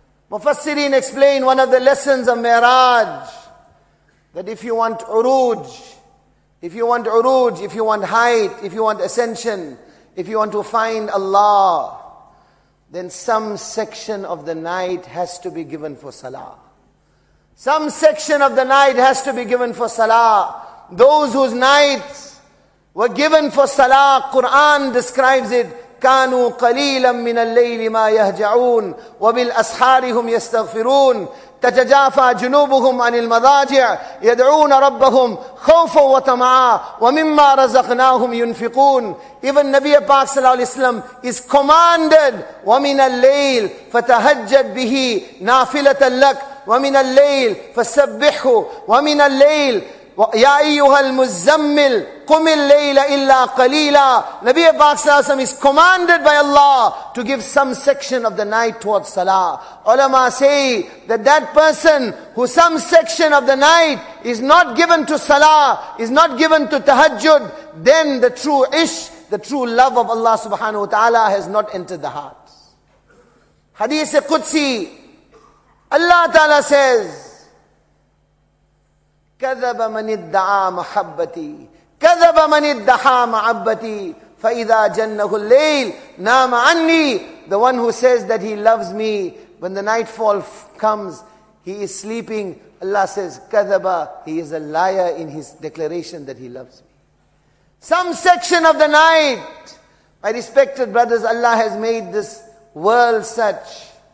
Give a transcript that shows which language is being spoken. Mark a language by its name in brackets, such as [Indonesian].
[English] Mufassirin explained one of the lessons of Mi'raj, that if you want uruj, if you want height, if you want ascension, if you want to find Allah, then some section of the night has to be given for salah. Some section of the night has to be given for salah. Those whose nights were given for salah, Quran describes it, [Arabic] كانوا قليلا من الليل ما يهجعون وبالأسحار هم يستغفرون تتجافى جنوبهم عن المضاجع يدعون ربهم خوفا وطمعا ومما رزقناهم ينفقون. [English] Even Nabi Paak sallallahu alaihi wasallam is commanded, [Arabic] ومن الليل فتهجد به نافلة لك ومن الليل فسبحه ومن الليل يا أيها المزمل قم الليل إلا قليلا. [English] Nabi Paak sallallahu alaihi wasallam is commanded by Allah to give some section of the night towards salah. Ulama say that person who some section of the night is not given to salah, is not given to tahajjud, then the true ish, the true love of Allah subhanahu wa ta'ala has not entered the heart. Hadith Qudsi, Allah ta'ala says, [Arabic] كذب من ادعى محبتي كذب من ادعى معبتي فإذا جنه الليل نام عني. [English] The one who says that he loves me, when the nightfall comes, he is sleeping. Allah says, كذب, he is a liar in his declaration that he loves me. Some section of the night, my respected brothers, Allah has made this world such.